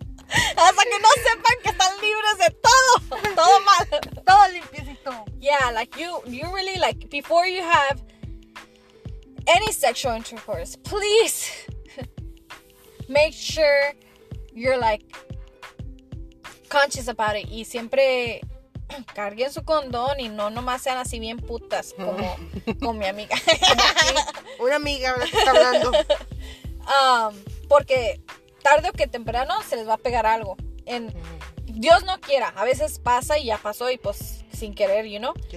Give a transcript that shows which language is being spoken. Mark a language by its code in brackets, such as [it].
[es] Hasta que no sepan que están libres de todo. Todo mal. Todo limpiecito. [en] Yeah, like you really, like, before you have any sexual intercourse, please make sure you're, like, conscious about it. [es] Y siempre... Carguen su condón y no nomás sean así bien putas como mi amiga. Una amiga la que está hablando. Porque tarde o que temprano se les va a pegar algo. En, Dios no quiera, a veces pasa y ya pasó y pues sin querer, [en] you know.